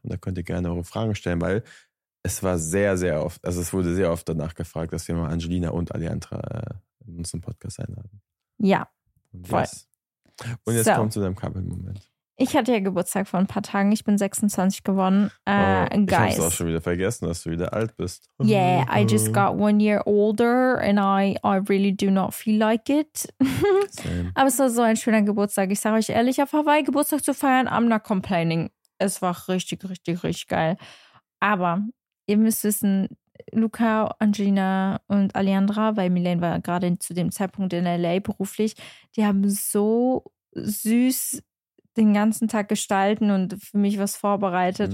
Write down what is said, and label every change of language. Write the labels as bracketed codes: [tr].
[de] Und da könnt ihr gerne eure Fragen stellen, weil es war sehr, sehr oft, also es wurde sehr oft danach gefragt, dass wir mal Angelina und Alejandra in unserem Podcast einladen. Ja, voll. [en] Yes. [de] Und jetzt kommt zu deinem Couple-Moment. Ich hatte ja Geburtstag vor ein paar Tagen. Ich bin 26 geworden. Ich hab's auch schon wieder vergessen, dass du wieder alt bist. [en] Yeah, I just got one year older and I really do not feel like it. [de] Aber es war so ein schöner Geburtstag. Ich sag euch ehrlich, auf Hawaii Geburtstag zu feiern, [en] I'm not complaining. [de] Es war richtig, richtig, richtig geil. Aber ihr müsst wissen, Luca, Angelina und Alejandra, weil Milene war gerade zu dem Zeitpunkt in L.A. beruflich, die haben so süß den ganzen Tag gestalten und für mich was vorbereitet.